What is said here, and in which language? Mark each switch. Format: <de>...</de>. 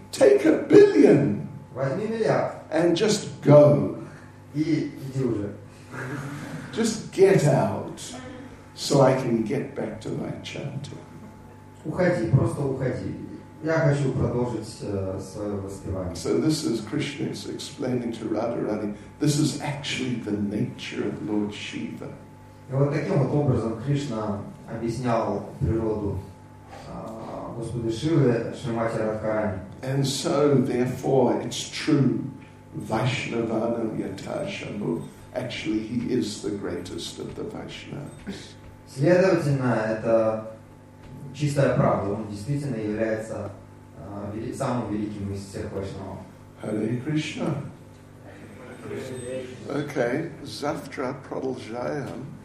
<en>Take a billion.</en> <ru>Возьми миллиард.</ru> <en>And just go.</en> <ru>И иди уже.</ru> <en>Just get out, so I can get back to my chanting.</en> <ru>Уходи, просто уходи. Я хочу продолжить свое воспевание.</ru> <en>So this is Krishna is explaining to Radharani. This is actually the nature of Lord Shiva.</en> <ru>И вот таким вот образом Кришна объяснял природу Господа Шивы Шримати Радхарани.</ru> <en>And so, therefore, it's true.</en> <sa>Vaishnavanam yata shambhu.</sa> <en>Actually, he is the greatest of the Vaishnavas.</en> <ru>Следовательно, это чистая правда. Он действительно является самым великим из всех вайшнавов.</ru> <en>Hare Krishna.</en> <ru>Okay, завтра продолжаем.</ru>